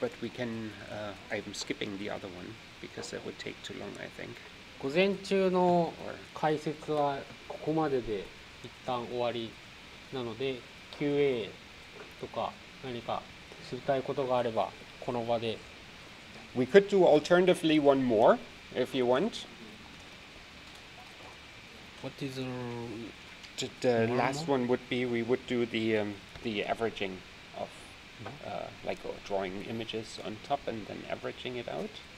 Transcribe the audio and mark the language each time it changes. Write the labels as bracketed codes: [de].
[en] But we can, I'm skipping the other one because it would take too long, I think. [ja] 午前中の解説はここまでで一旦終わりなので QA とか何か知りたいことがあればこの場で。 [en] We could do alternatively one more if you want. What is the... The last one would be we would do the averaging of like drawing images on top and then averaging it out.